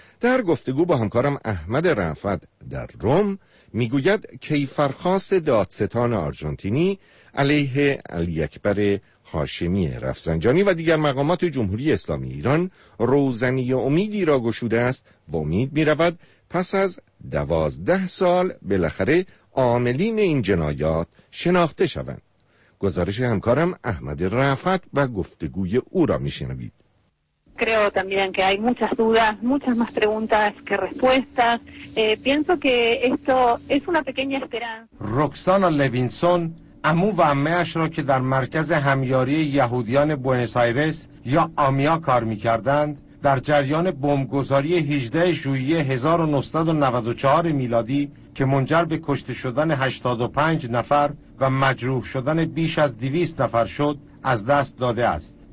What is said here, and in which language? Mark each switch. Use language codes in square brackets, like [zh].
[fa] در گفتگو با همکارم احمد رفعت در روم میگوید کیفرخواست دادستان آرژانتینی علیه علی اکبر هاشمی رفسنجانی و دیگر مقامات جمهوری اسلامی ایران روزنی امیدی را گشوده است و امید می رود پس از 12 سال بالاخره عاملین این جنایات شناخته شوند. گزارش همکارم احمد رفعت و گفتگوی او را می شنوید. [es] Creo también que hay muchas dudas, muchas más preguntas que respuestas. Pienso que esto es una pequeña esperanza. [fa] Roxana Levinson, عمو و عمه‌اش را که در مرکز همیاری یهودیان بوئنوس آیرس یا آمیا کار می‌کردند، در جریان بمب‌گذاری 18 ژوئیه 1994 میلادی که منجر به کشته شدن 85 نفر و مجروح شدن بیش از 200 نفر شد از دست داده است.